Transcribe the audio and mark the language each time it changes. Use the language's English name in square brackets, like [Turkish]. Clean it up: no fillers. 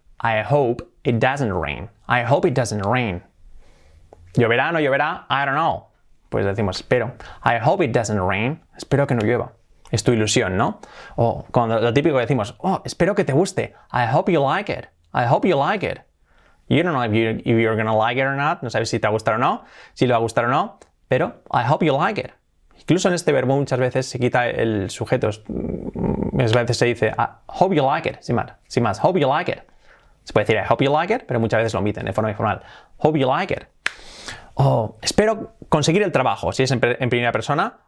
[English] I hope it doesn't rain. I hope it doesn't rain. [Spanish] ¿Lloverá o no lloverá? [English] I don't know. [Spanish] Pues decimos espero. [English] I hope it doesn't rain. [Spanish] Espero que no llueva. Es tu ilusión, ¿no? O cuando lo típico decimos, oh, espero que te guste. [English] I hope you like it. I hope you like it. You don't know if you're gonna like it or not. [Spanish] No sabes si te va a gustar o no, si le va a gustar o no, pero [English] I hope you like it. [Spanish] Incluso en este verbo muchas veces se quita el sujeto. Muchas veces se dice [English] I hope you like it, [Spanish] sin más, [English] hope you like it. [Spanish] Se puede decir [English] I hope you like it, [Spanish] pero muchas veces lo omiten de forma informal. [English] Hope you like it. [Spanish] O espero conseguir el trabajo, si es en primera persona.